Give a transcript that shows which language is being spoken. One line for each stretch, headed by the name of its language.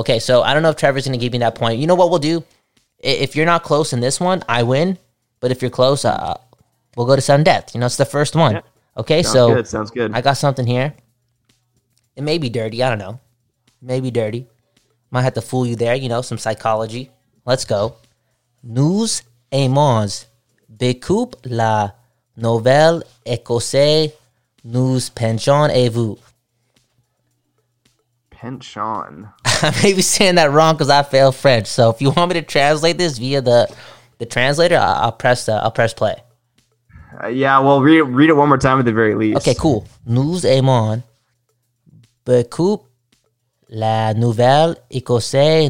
English: Okay, so I don't know if Trevor's going to give me that point. You know what we'll do? If you're not close in this one, I win. But if you're close, we'll go to sudden death. You know, it's the first one. Yeah. Okay, Sounds good. I got something here. It may be dirty. I don't know. Maybe dirty. Might have to fool you there. You know, some psychology. Let's go.
French: Nous aimons beaucoup la nouvelle Écosse. Nous penchons et vous. Penchon.
English: I may be saying that wrong because I failed French. So if you want me to translate this via the translator, I'll press play. Yeah, well, read it one more time at the very least. Okay, cool.
French: Nous aimons beaucoup la nouvelle Écosse.